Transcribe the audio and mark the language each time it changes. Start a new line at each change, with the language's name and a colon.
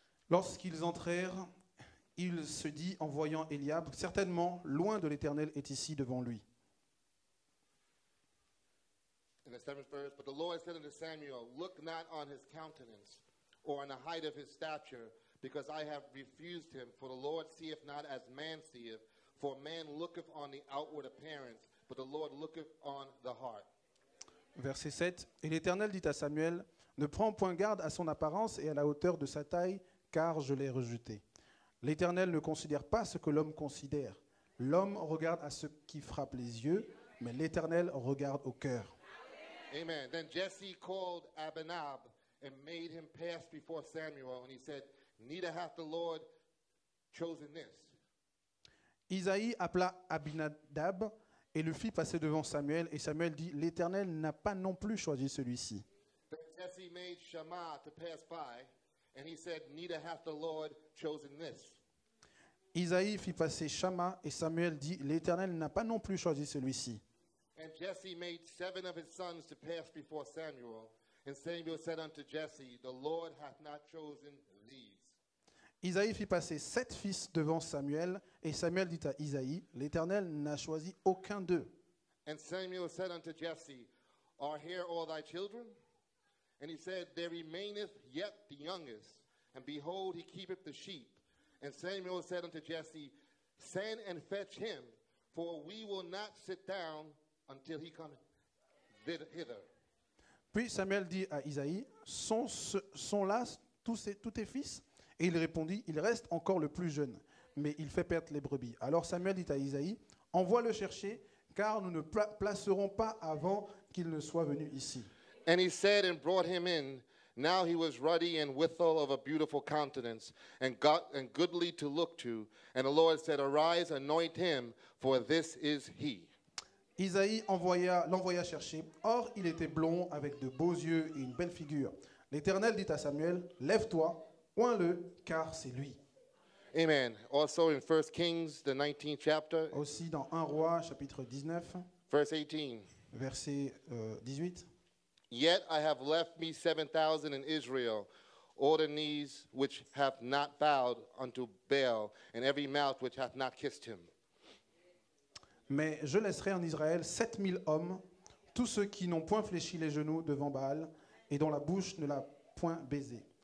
French: Lorsqu'ils entrèrent, il se dit en voyant Eliab, certainement, loin de l'Éternel est ici devant lui.
English: In the seventh verse, but the Lord said unto Samuel, look not on his countenance, or on the height of his stature, because I have refused him. For the Lord seeth not as man seeth, for man looketh on the outward appearance, but the Lord looketh on the heart.
French: Verset 7, et l'Éternel dit à Samuel, ne prends point garde à son apparence et à la hauteur de sa taille, car je l'ai rejeté. L'Éternel ne considère pas ce que l'homme considère. L'homme regarde à ce qui frappe les yeux, mais l'Éternel regarde au cœur. Amen.
English: Then Jesse called Abinadab and made him pass before Samuel, and he said, neither hath the Lord chosen this.
French: Isaïe appela Abinadab et le fit passer devant Samuel, et Samuel dit, l'Éternel n'a pas non plus choisi celui-ci.
English: Then Jesse made Shammah to pass by, and he said, neither hath the Lord chosen this.
French: Isaïe fit passer Shammah, et Samuel dit, l'Éternel n'a pas non plus choisi celui-ci.
English: And Jesse made seven of his sons to pass before Samuel. And Samuel said unto Jesse, The Lord hath not chosen these.
French: Isaïe fit passer sept fils devant Samuel, et Samuel dit à Isaïe, L'Éternel n'a choisi aucun d'eux.
English: And Samuel said unto Jesse, Are here all thy children? And he said, There remaineth yet the youngest, and behold, he keepeth the sheep. And Samuel said unto Jesse, Send and fetch him, for we will not sit down until he cometh hither.
French: Puis Samuel dit à Isaïe, sont là tous tes fils? Et il répondit, il reste encore le plus jeune, mais il fait perdre les brebis. Alors Samuel dit à Isaïe, envoie le chercher, car nous ne placerons pas avant qu'il ne soit venu ici.
English: And he said and brought him in. Now he was ruddy and withal of a beautiful countenance, and goodly to look to. And the Lord said, Arise, anoint him, for this is he.
French: Isaïe l'envoya chercher. Or, il était blond, avec de beaux yeux et une belle figure. L'Éternel dit à Samuel, Lève-toi, oins-le, car c'est lui.
English: Amen. Also in 1 Kings, the 19th chapter.
French: Aussi dans 1 Roi, chapitre 19.
English: Verse 18.
French: Verset 18.
English: Yet I have left me 7,000 in Israel, all the knees which have not bowed unto Baal, and every mouth which hath not kissed him.
French: Mais je laisserai en Israël 7,000 hommes, tous ceux qui n'ont point fléchi les genoux devant Baal, et dont la bouche ne l'a point baisé.